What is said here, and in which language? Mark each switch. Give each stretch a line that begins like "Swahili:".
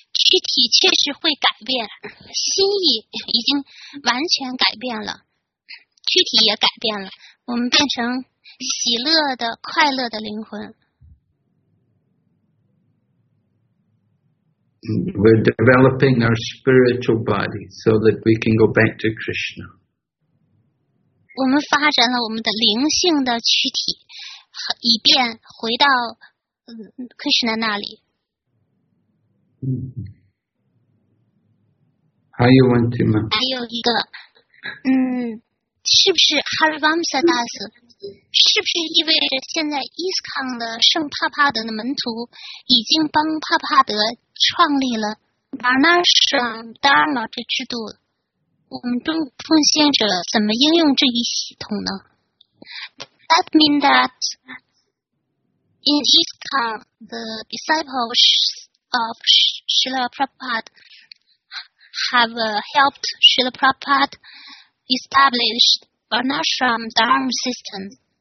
Chinese: 躯体确实会改变，心意已经完全改变了，躯体也改变了，我们变成喜乐的、快乐的灵魂。
English: We're developing our spiritual body so that we can go back to Krishna.
Chinese: 我们发展了我们的灵性的躯体，以便回到Krishna 那里。
English: How you want to?
Chinese: 还有一个，是不是 Harivamsa Das 是不是意味着现在 ISKCON 的圣帕帕德的门徒已经帮帕帕德创立了 Varnashram Dharma 这制度了？我们中国奉献者怎么应用这一系统呢？
English: That mean that in ISKCON, the disciples of Srila Prabhupada have helped Srila Prabhupada establish Varnashram Dharma system.